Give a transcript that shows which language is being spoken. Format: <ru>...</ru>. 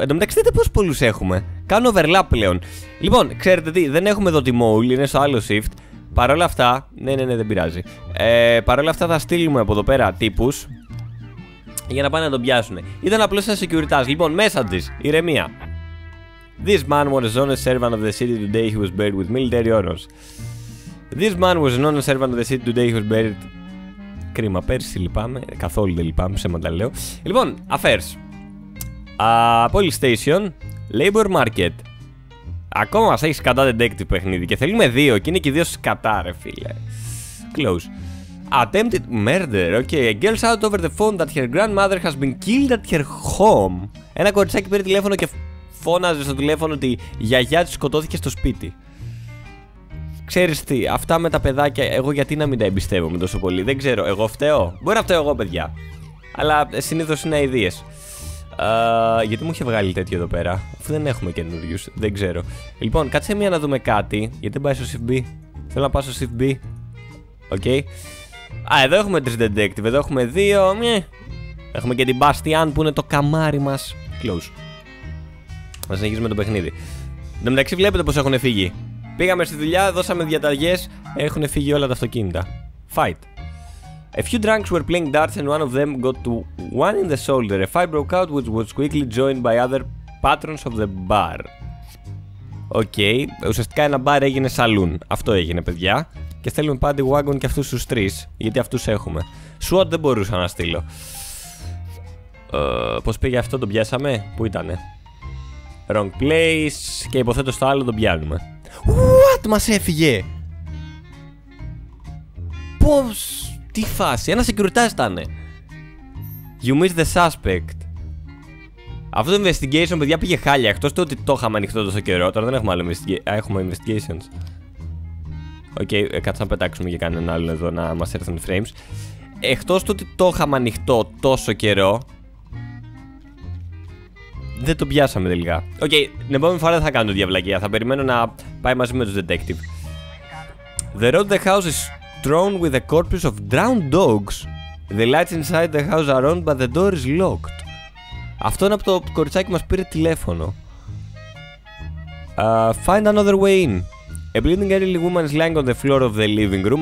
<el>Εν τω μεταξύ, δείτε πόσους πολλούς έχουμε. Κάνω overlap πλέον. Λοιπόν, ξέρετε τι, δεν έχουμε εδώ τη Mole, είναι στο άλλο shift. Παρ' όλα αυτά, ναι, δεν πειράζει. Παρ' όλα αυτά, θα στείλουμε από εδώ πέρα τύπους για να πάνε να τον πιάσουν. Ήταν απλώς ένα securitas. Λοιπόν, messages, ηρεμία.</el> <en>This man was an honest servant of the city today, he was buried with military honors. This man was an honest servant of the city today, he was buried.</en> <el>Κρίμα, πέρσι λυπάμαι, καθόλου δεν λυπάμαι, ψέματα λέω. Λοιπόν, affairs.</el> <en>Police station, labor market.</en> <el>Ακόμα μας έχει σκατά detective παιχνίδι και θέλουμε δύο και είναι και δύο σκατά ρε φίλε.</el> <en>Close. Attempted murder, okay. A girl shouted over the phone that her grandmother has been killed at her home.</en> <el>Ένα κοριτσάκι πήρε τηλέφωνο και φώναζε στο τηλέφωνο ότι η γιαγιά της σκοτώθηκε στο σπίτι. Ξέρεις τι, αυτά με τα παιδάκια, εγώ γιατί να μην τα εμπιστεύομαι τόσο πολύ, δεν ξέρω, εγώ φταίω. Μπορεί να φταίω εγώ, παιδιά. Αλλά συνήθως είναι αηδίες. Γιατί μου είχε βγάλει τέτοιο εδώ πέρα, αφού δεν έχουμε καινούριους, δεν ξέρω. Λοιπόν, κάτσε μία να δούμε κάτι. Γιατί δεν πάει στο CFB, θέλω να πάω στο CFB. Okay. Α, εδώ έχουμε τρεις detective, εδώ έχουμε δύο. Έχουμε και την Bastian που είναι το καμάρι μας. Close. Να συνεχίσουμε το παιχνίδι. Εν τω μεταξύ, βλέπετε πως έχουν φύγει. Πήγαμε στη δουλειά, δώσαμε διαταγές, έχουν φύγει όλα τα αυτοκίνητα.</el> <en>Fight. A few drunks were playing darts and one of them got to one in the shoulder. A fight broke out which was quickly joined by other patrons of the bar.</en> <el>Okay, ουσιαστικά ένα μπαρ έγινε σαλούν. Αυτό έγινε, παιδιά. Και στέλνουμε πάντη wagon και αυτούς τους τρεις, γιατί αυτούς έχουμε. SWAT δεν μπορούσα να στείλω. Πώς πήγε αυτό, τον πιάσαμε? Πού ήτανε?</el> <en>Wrong place.</en> <el>Και υποθέτω στο άλλο τον πιάνουμε. What, μας έφυγε! Πώς, τι φάση, ένα σεκιουριτάς ήτανε.</el> <en>You miss the suspect.</en> <el>Αυτό το investigation, παιδιά, πήγε χάλια. Εκτός του ότι το είχαμε ανοιχτό τόσο καιρό. Τώρα δεν έχουμε άλλο investigation. Έχουμε investigations. Okay, κάτσε να πετάξουμε για κανένα άλλο εδώ να μας έρθουν frames. Εκτός του ότι το είχαμε ανοιχτό τόσο καιρό, δεν το πιάσαμε τελικά. Okay, την επόμενη φορά δεν θα κάνω διαβλακία. Θα περιμένω να πάει μαζί με τους detective.</el> <en>The road the house is strewn with a corpse of drowned dogs. The lights inside the house are on, but the door is locked.</en> <el>Αυτό είναι από το κοριτσάκι μας πήρε τηλέφωνο.</el> <en>Find another way in. A bleeding elderly woman is lying on the floor of the living room.</en>